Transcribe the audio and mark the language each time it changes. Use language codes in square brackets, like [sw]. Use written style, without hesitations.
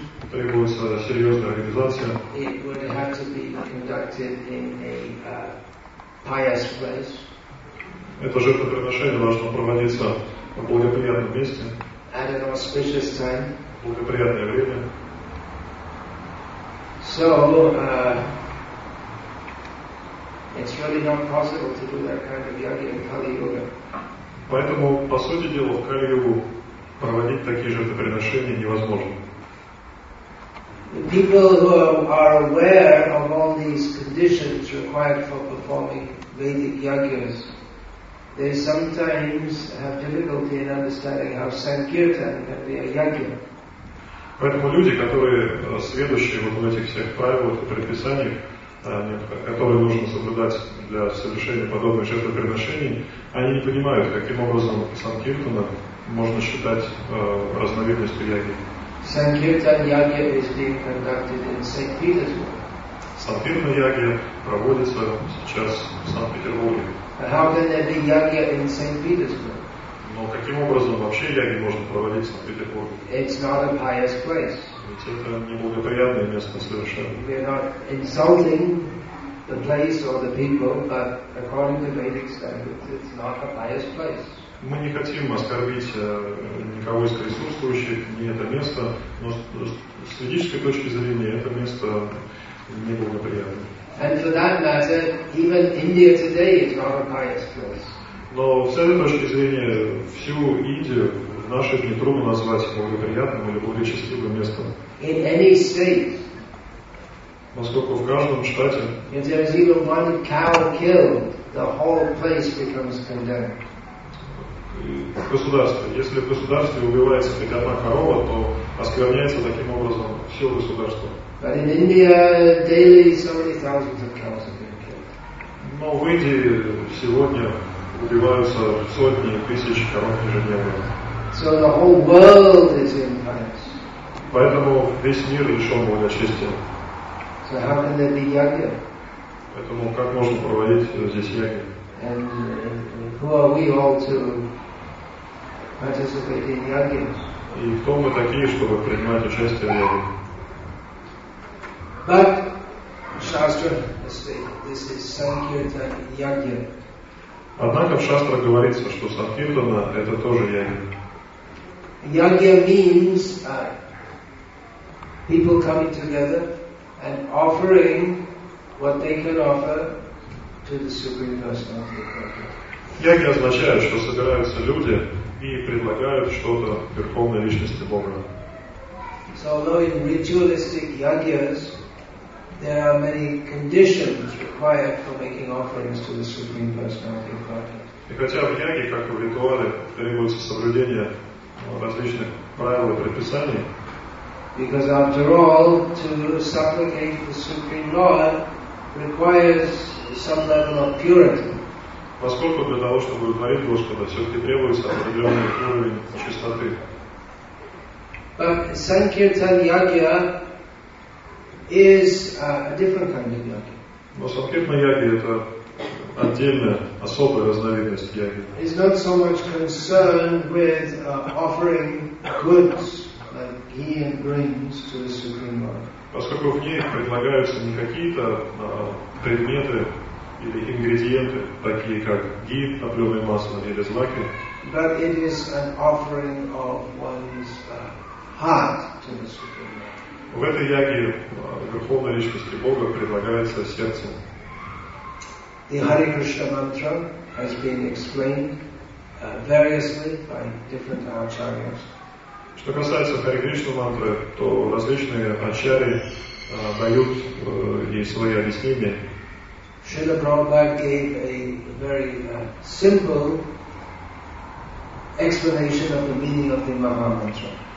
[ru] Требуется серьезная организация. [en] It would have to be conducted in a pious place. [ru] Это жертвоприношение должно проводиться в благоприятном месте. [en] At an auspicious time. [ru] Благоприятное время. [en] So, it's really not possible to do that kind of yoga in Kali Yuga. [ru] Поэтому, по сути дела, в Кали-Югу проводить такие жертвоприношения невозможно. [en] The people who are aware of all these conditions required for performing Vedic yagyas, they sometimes have difficulty in understanding how Sankirtan can be a yagya. [ru] Поэтому люди, которые сведущие вот в этих всех правилах и предписаниях, которые нужно соблюдать для совершения подобных жертвоприношений, они не понимают, каким образом Санкиртана можно считать разновидностью яги. [en] Санкиртан яги is being conducted in St. Petersburg. [ru] Санкиртана яги проводится сейчас в Санкт-Петербурге. [en] But how can there be яги in St. Petersburg? [ru] Но каким образом вообще яги можно проводить в Санкт-Петербурге? [en] It's not a pious place. [ru] Ведь это неблагоприятное место совершенно. [en] We are not insulting the place or the people, but according to Vedic standards, it's not a pious place. [ru] Мы не хотим оскорбить никого из присутствующих, ни это место, но с ведической точки зрения это место неблагоприятное. [en] And for that matter, even India today is not a pious place. [ru] Но с этой точки зрения всю Индию в наши дни трудно назвать благоприятным или более счастливым местом. [en] In any state, [ru] поскольку в каждом штате, [en] if there is even one cow killed, the whole place becomes condemned. [ru] В государстве. Если в государстве убивается хоть одна корова, то оскверняется таким образом все государство. [en] But in India, daily, so many thousands of cows have been killed. [ru] Но в Индии сегодня убиваются сотни тысяч коров ежедневно. [en] So the whole world is in pious. [ru] Поэтому весь мир лишён благочестия. [en] So how can there be yagya? [ru] Поэтому как можно проводить здесь ягья? [en] And who are we all to participate in yagya? [ru] И кто мы такие, чтобы принимать участие в ягья? [en] But Shastra has stated this is Sankirtan yagya. [ru] Однако в Шастра говорится, что Санкиртана это тоже ягья. [en] Yagya means people coming together and offering what they can offer to the Supreme Personality of Godhead. [uk] Яке означає, що [ru] собираються люди і предлагають что-то Верховной Личности Бога. [en] So although in ritualistic yagyas, there are many conditions required for making offerings to the Supreme Personality of Godhead. [ru] И хотя в яге, как в ритуале, требуется соблюдение различных правил и предписаний. [en] Because after all, to supplicate the Supreme Lord requires some level of purity. [ru] Поскольку для того, чтобы творить Господа, все-таки требуется определенный уровень чистоты. [en] But Sankirtan Yagya is a different kind of yagya. [ru] Но Sankirtan Yagya — это отдельная, особая разновидность яги. [en] It's not so much concerned with offering goods like ghee and grains to the Supreme Lord. [ru] Поскольку в ней предлагаются не какие-то предметы или ингредиенты, такие как ги, топлёное масло или злаки. [en] But it is an offering of one's heart to the Supreme Lord. [ru] В этой яге Верховной Личности Бога предлагается сердце. [en] The Hare Krishna mantra has been explained variously by different acharyas. [ru] Что касается Hare Krishna mantra, то различные ачарьи дают ей свои объяснения. [en] Srila Prabhupada gave a very simple explanation of the meaning of the Maha Mantra.